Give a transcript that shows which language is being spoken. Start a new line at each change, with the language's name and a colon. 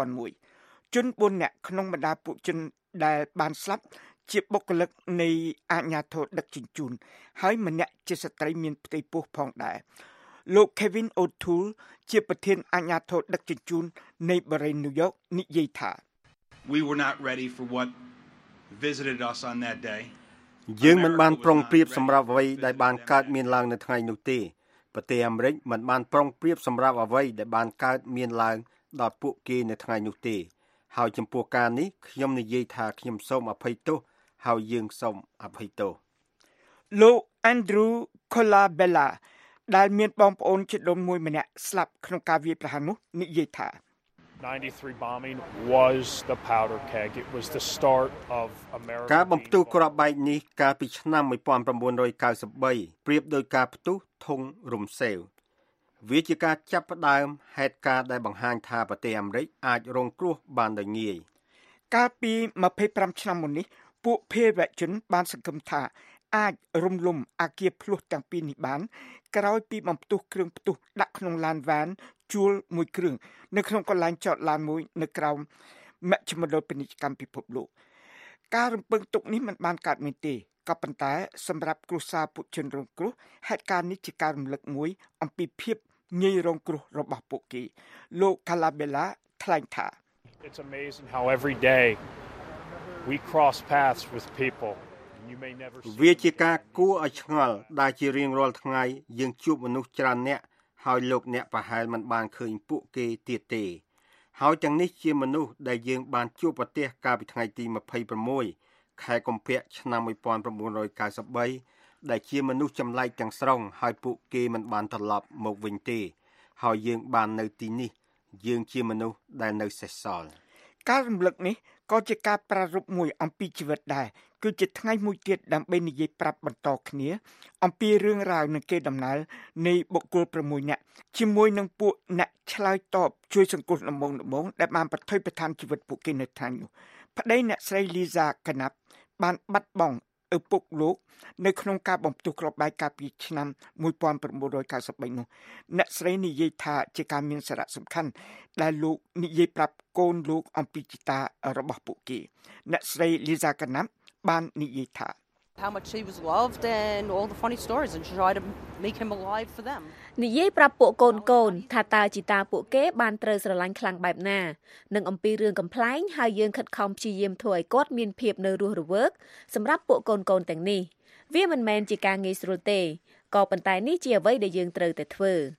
Khmer: 2001ជន4នាក់ក្នុងបណ្ដាពួកជនដែលបានស្លាប់ជាបុគ្គលិកនៃអាជ្ញាធរដឹកជញ្ជូនហើយម្នាក់ជាស្ត្រីមានផ្ទៃពោះផងដែរលោក Kevin O'Toole ជាប្រធានអាជ្ញាធរដឹកជញ្ជូននៃបារីញូវយ៉កនិយាយថា
English: We were not ready for what visited us on that day
Khmer: យើងមិនបានប្រុងប្រៀបសម្រាប់អ្វីដែលបានកើតមានឡើងនៅថ្ងៃនោះទេប្រទេសអាមេរិកមិនបានប្រុងប្រៀបសម្រាប់អ្វីដែលបានកើតមានឡើងដល់ពួកគេនៅថ្ងៃនោះទេហើយចំពោះការនេះខ្ញុំនិយាយថាខ្ញុំសូមអភ័យទោសហើយយើងសូមអភ័យទោស លោក Andrew Colabella ដែលមានបងប្អូនជាដុំមួយម្នាក់ស្លាប់ក្នុងការវាយប្រហារនោះនិយាយថា
English: 93 bombing was the powder keg it was the start of America
Khmer: ការបំផ្ទុះគ្រាប់បែកនេះកាលពីឆ្នាំ1993ប្រៀបដោយការផ្ទុះធុងរំសេវវាជាការចាប់ផ្ដើមហេតុការដែលបង្ហាញថាប្រទេសអាមេរិកអាចរងគ្រោះបានដោយងាយ កាលពី25ឆ្នាំមុននេះពួកភេរវជនបានសង្កេតថាអាចរំលំអាគារផ្លោះទាំងពីរនេះបានក្រោយពីបំផ្ទុះគ្រឿងផ្ទុះដាក់ក្នុងឡានវ៉ានជួលមួយគ្រឿងនៅក្នុងកន្លែងចតឡានមួយនៅក្រោមមជ្ឈមណ្ឌលពាណិជ្ជកម្មពិភពលោកការរំពឹងទុកនេះមិនបានកើតមានទេក៏ប៉ុន្តែសម្រាប់គ្រួសារពួកជនរងគ្រោះហេតុការណ៍នេះជាការរំលឹកមួយអំពីភាពងាយរងគ្រោះរបស់ពួកគេលោក Calabella ថ្លែងថា
English: It's amazing how every day we cross paths with people you may never see
Khmer: វាជាការគួរឲ្យឆ្ងល់ដែលជារៀងរាល់ថ្ងៃយើងជួបមនុស្សច្រើនអ្នកហើយលោកអ្នកប្រហែលមិនបានឃើញពួកគេទៀតទេហើយទាំងនេះជាមនុស្សដែលយើងបានជួបប្រទះកាលពីថ្ងៃទី26ខែកុម្ភៈឆ្នាំ1993ដែលជាមនុស្សចម្លែកទាំងស្រុងហើយពួកគេមិនបានត្រឡប់មកវិញទេហើយយើងបាននៅទីនេះយើងជាមនុស្សដែលនៅសេសសល់ការរំលឹកនេះក៏ជាការប្រារព្ធមួយអំពីជីវិតដែរគឺជាថ្ងៃមួយទៀតដើម្បីនិយាយប្រាប់បន្តគ្នាអំពីរឿងរ៉ាវនឹងគេដំណើរនៃបុគ្គល6នាក់ជាមួយនឹងពួកអ្នកឆ្លើយតបជួយសង្គ្រោះដំងដំងដែលបានប្រថុយប្រថានជីវិតពួកគេនៅថ្ងៃនោះប្តីអ្នកស្រីលីសាកណាប់បានបាត់បង់ឪពុកលោកនៅក្នុងការបំផ្ទុះគ្រាប់បែកកាលពីឆ្នាំ1993នោះ អ្នកស្រីនិយាយថាជាការមានសារៈសំខាន់ដែលលោកនិយាយប្រាប់កូនលោកអំពីចិត្តារបស់ពួកគេអ្នកស្រីលីសាកណាប់បាននិយាយថា
English: How much she was loved and all the funny stories and try to make him alive for them
Khmer: និយាយប្រាប់ពួកកូនកូនថាតើជីតាពួកគេបានត្រូវស្រឡាញ់ខ្លាំងបែបណានឹងអំពីរឿងកំ pl ែងហើយយើងខិតខំព្យាយាមធ្វើឲ្យគាត់មានភាពនៅរស់រវើកសម្រាប់ពួកកូនកូនទាំងនេះវាមិនមែនជាការងាយស្រួលទេក៏ប៉ុន្តែនេះជាអ្វីដែលយើងត្រូវតែធ្វើ